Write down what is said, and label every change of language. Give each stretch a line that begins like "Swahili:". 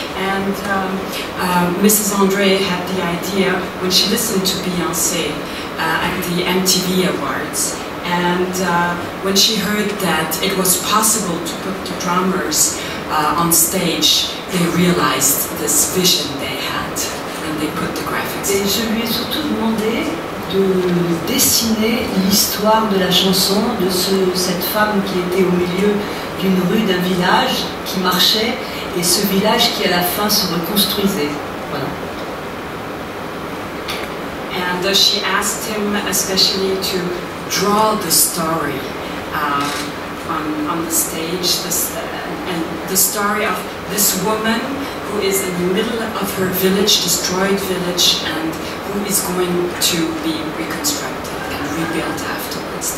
English: And Mrs. André had the idea when she listened to Beyoncé at the MTV Awards. And when she heard that it was possible to put the drummers on stage, they realized this vision they had, and they put the graphics.
French: Et je lui ai surtout demandé de dessiner l'histoire de la chanson, de cette femme qui était au milieu d'une rue d'un village qui marchait et ce village qui à la fin se reconstruisait. Voilà.
English: And she asked him especially to draw the story on the stage, and the story of this woman who is in the middle of her village, destroyed village, and is going to be reconstructed and rebuilt afterwards.